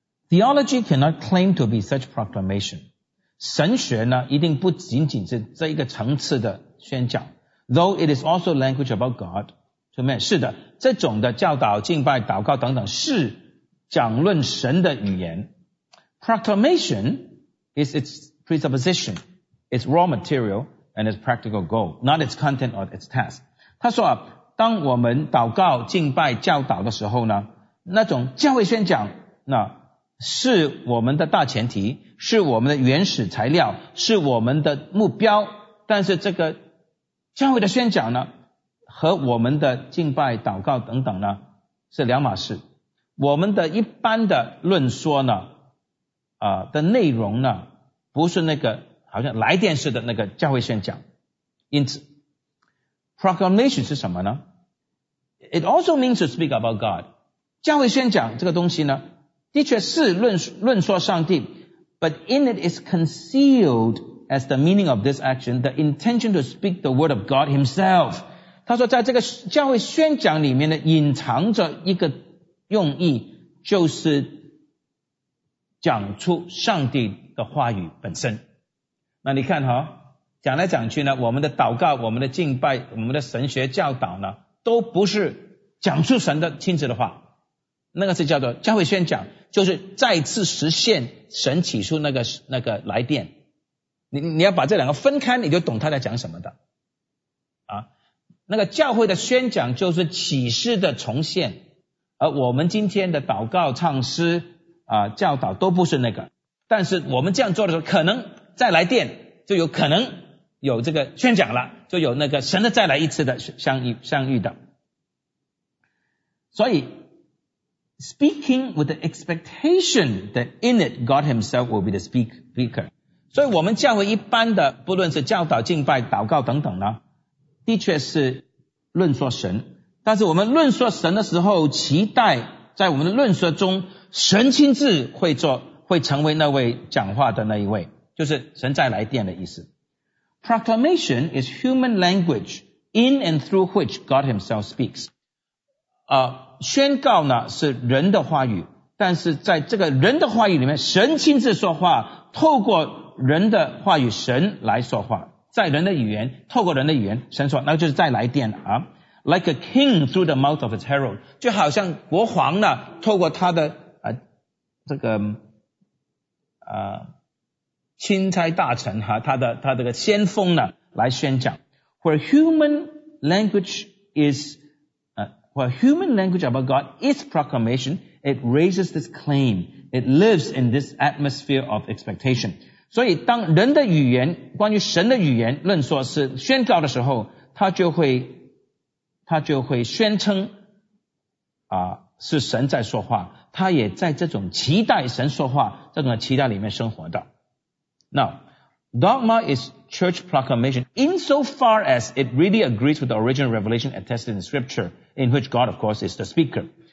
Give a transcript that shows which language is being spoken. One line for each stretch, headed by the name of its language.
English: Theology cannot claim to be such proclamation.
Chinese: 神学呢一定不仅仅是这一个层次的宣讲。
English: Though it is also language about God.
Chinese: 是的，这种的教导、敬拜、祷告等等是讲论神的语言。
English: Proclamation is its presupposition, its raw material, and its practical goal, not its content or its task.
Chinese: 他说啊，当我们祷告、敬拜、教导的时候呢，那种教会宣讲那是我们的大前提，是我们的原始材料，是我们的目标，但是这个教会的宣讲呢和我们的敬拜祷告等等呢是两码事。我们的一般的论说呢的内容呢不是那个好像来电似的那个教会宣讲。因此 proclamation 是什么呢？
English: It also means to speak about God.
Chinese: 教会宣讲这个东西呢，的确是 论说上帝，
English: but in it is concealed as the meaning of this action, the intention to speak the word of God himself.
Chinese: 他说在这个教会宣讲里面呢，隐藏着一个用意，就是讲出上帝的话语本身。那你看哈，讲来讲去呢，我们的祷告，我们的敬拜，我们的神学教导呢，都不是讲出神的亲自的话，那个是叫做教会宣讲，就是再次实现神起初那个来电。你要把这两个分开，你就懂他在讲什么的啊。那个教会的宣讲就是启示的重现，而我们今天的祷告唱诗啊，教导都不是那个，但是我们这样做的时候，可能再来电就有可能有这个宣讲了，就有那个神的再来一次的相遇的。所以
English: speaking with the expectation that in it God himself will be the speaker.
Chinese: 所以我们教会一般的不论是教导敬拜祷告等等呢，的确是论说神，但是我们论说神的时候，期待在我们的论说中神亲自会成为那位讲话的那一位，就是神再来电的意思。
English: Proclamation is human language in and through which God himself speaks.
Chinese: 宣告呢是人的话语，但是在这个人的话语里面，神亲自说话，透过人的话语神来说话，在人的语言，透过人的语言神说，那就是再来电啊。
English: Like a king through the mouth of his herald,
Chinese: 就好像国皇呢透过他的这个钦差大臣哈，他的个先锋呢来宣讲。
English: Where human language is, where human language about God is proclamation, it raises this claim. It lives in this atmosphere of expectation.
Chinese: 所以当人的语言，关于神的语言论说是宣告的时候，他就会宣称是神在说话，他也在这种期待神说话这种期待里面生活的。
English: Now, dogma is church proclamation insofar as it really agrees with the original revelation attested in scripture, in which God, of course, is the speaker.